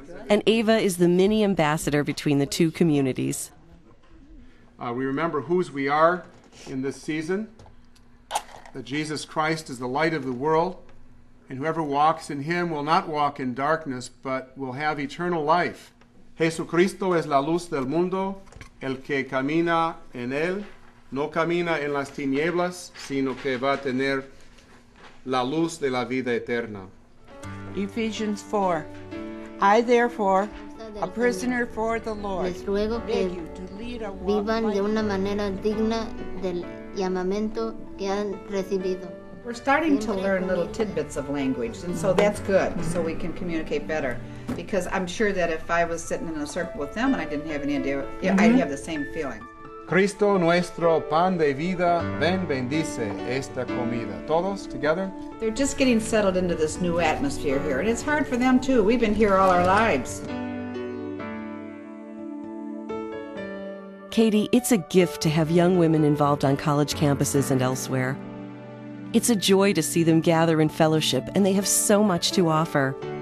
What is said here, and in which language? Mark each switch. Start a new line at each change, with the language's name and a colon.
English: And Ava is the mini ambassador between the two communities. We remember whose we are in this season, that Jesus Christ is the light of the world, and whoever walks in him will not walk in darkness, but will have eternal life.
Spanish: Jesucristo es la luz del mundo. El que camina en él no camina en las tinieblas, sino que va a tener la luz de la vida eterna.
English: Ephesians 4. I therefore, a prisoner for the Lord,
Spanish: les ruego que
English: beg you to lead a walk
Spanish: vivan de una manera digna del llamamiento que han recibido.
English: We're starting to learn little tidbits of language, and so that's good, so we can communicate better. Because I'm sure that if I was sitting in a circle with them and I didn't have any idea, I'd have the same feeling.
Spanish: Cristo nuestro pan de vida, ven bendice esta comida. Todos
English: together? They're just getting settled into this new atmosphere here, and it's hard for them too. We've been here all our lives. Katie, it's a gift to have young women involved on college campuses and elsewhere. It's a joy to see them gather in fellowship, and they have so much to offer.